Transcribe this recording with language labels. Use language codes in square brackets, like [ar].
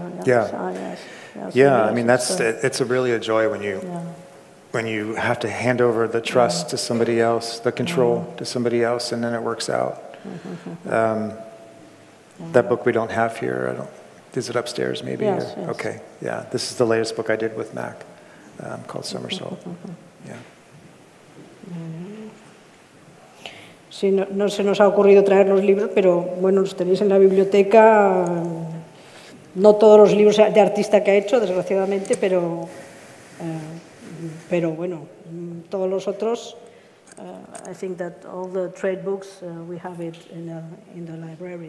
[en] It's a really a joy when you have to hand over the trust to somebody else, the control to somebody else, and then it works out. That book we don't have here, is it upstairs maybe? Yes. Okay, yeah, this is the latest book I did with Mac, called Somersault. Yeah. [es] Sí, no se nos ha ocurrido traer los libros, pero bueno, los tenéis en la biblioteca. No todos los libros de artista que ha hecho, desgraciadamente, pero bueno, todos los otros. [en] I think that all the trade books we have it in the library.